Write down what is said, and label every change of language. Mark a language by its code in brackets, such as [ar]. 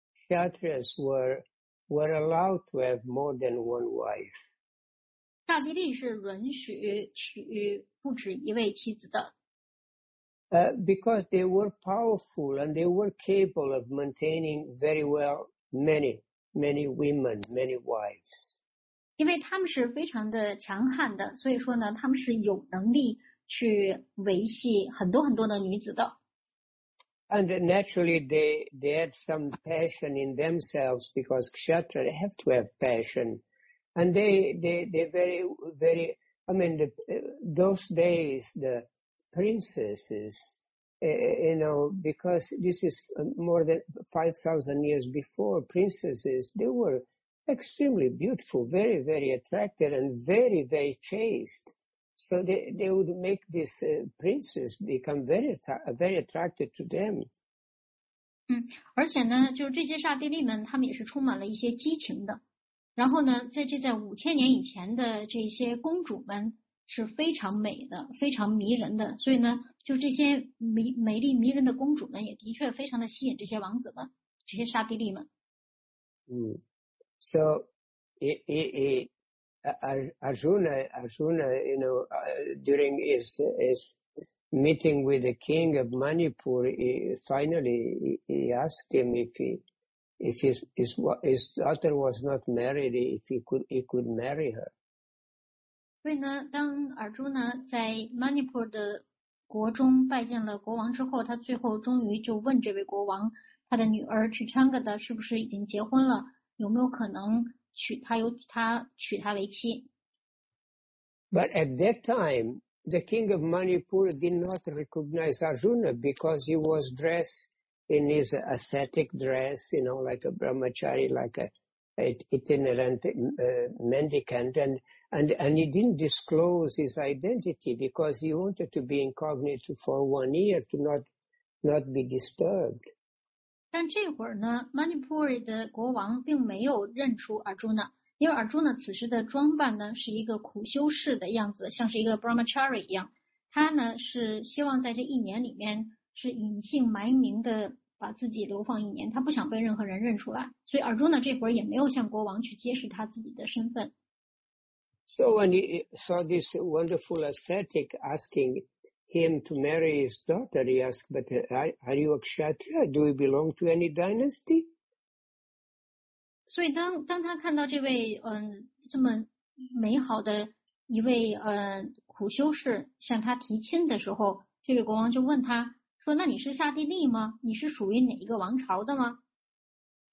[en] Kshatriyas were allowed to have more than one wife. [zh] 大帝利是允许娶不止一位妻子的。 [en] Because they were powerful and they were capable of maintaining very well many, many women, many wives. [zh] 因为他们是非常的强悍的，所以说呢，他们是有能力去维系很多很多的女子的。 [en] And naturally, they had some passion in themselves because kshatriya they have to have passion, and they very very. I mean, those days the. Princesses, you know, because this is more than 5,000 years before, princesses, they were extremely beautiful, very, very attractive, and very, very chaste. So they would make this princess become very, very attracted to them. [zh] 而且呢，就是这些刹帝利们，他们也是充满了一些激情的。然后呢，在五千年以前的这些公主们。是非常美的，非常迷人的，所以呢，就这些美丽迷人的公主们，也的确非常的吸引这些王子们，这些沙帝利们。 [en] So, Arjuna, you know, during his meeting with the king of Manipur, he finally asked him if his daughter was not married, if he could marry her. [zh] 所以呢，当尔朱呢在 Manipur 的国中拜见了国王之后，他最后终于就问这位国王，他的女儿去昌格的是不是已经结婚了？有没有可能娶他有他娶他为妻 [en] ？But at that time, the king of Manipur did not recognize Arjuna because he was dressed in his ascetic dress, you know, like a brahmachari, like a itinerant mendicant, and he didn't disclose his identity because he wanted to be incognito for 1 year to not be disturbed. [zh] 但这会儿呢 ，Manipuri 的国王并没有认出 Arjuna， 因为 Arjuna 此时的装扮呢是一个苦修士的样子，像是一个 brahmachari 一样。他呢是希望在这一年里面是隐姓埋名的把自己流放一年，他不想被任何人认出来，所以 Arjuna 这会儿也没有向国王去揭示他自己的身份。 [en] So when he saw this wonderful ascetic asking him to marry his daughter, he asked, "But are you a Kshatriya? Do you belong to any dynasty?" [zh] 所以当他看到这位这么美好的一位苦修士向他提亲的时候，这位国王就问他说：“那你是刹帝利吗？你是属于哪一个王朝的吗？”